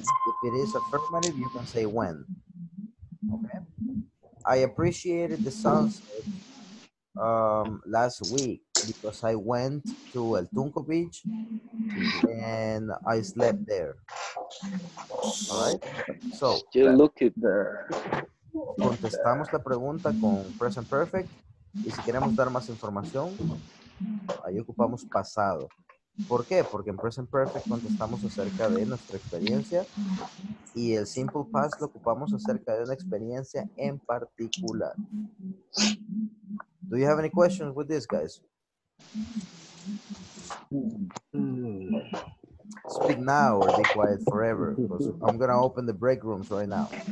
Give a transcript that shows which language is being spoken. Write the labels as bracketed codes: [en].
[en] If it is affirmative, you can say when. Okay. I appreciated the sunset last week because I went to El Tunco Beach and I slept there. All right? So, you look at there. [es] Contestamos la pregunta con present perfect y si queremos dar más información, ahí ocupamos pasado. ¿Por qué? Porque en present perfect contestamos acerca de nuestra experiencia y el simple past lo ocupamos acerca de una experiencia en particular. [en] Do you have any questions with this, guys? Speak now or be quiet forever, because I'm going to open the break rooms right now.